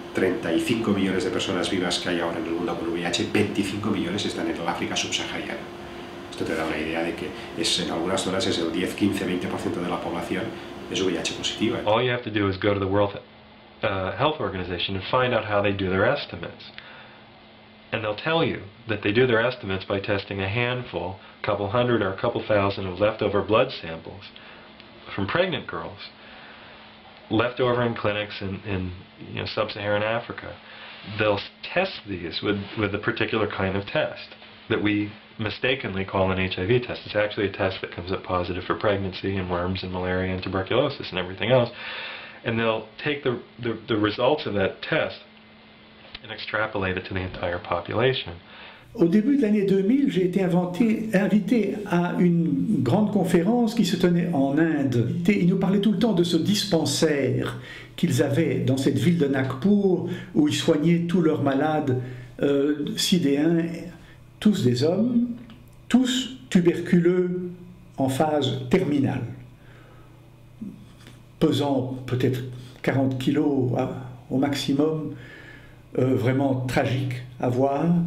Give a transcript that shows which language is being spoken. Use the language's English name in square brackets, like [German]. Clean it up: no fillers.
[Spanish] 35 millones de personas vivas que hay ahora en el mundo con VIH, 25 millones están en el África subsahariana. Esto te da una idea de que es, en algunas zonas es el 10, 15, 20% de la población es VIH positiva. [English] All you have to do is go to the World Health Organization and find out how they do their estimates. And they'll tell you that they do their estimates by testing a handful, a couple hundred or a couple thousand of leftover blood samples from pregnant girls left over in clinics in you know, sub-Saharan Africa. They'll test these with a particular kind of test that we mistakenly call an HIV test. It's actually a test that comes up positive for pregnancy and worms and malaria and tuberculosis and everything else. And they'll take the results of that test and extrapolate it to the entire population. [French] Au début de l'année 2000, j'ai été invité à une grande conférence qui se tenait en Inde. Ils nous parlaient tout le temps de ce dispensaire qu'ils avaient dans cette ville de Nagpur, où ils soignaient tous leurs malades sidéens, tous des hommes, tous tuberculeux en phase terminale, pesant peut-être 40 kilos au maximum, vraiment tragique à voir.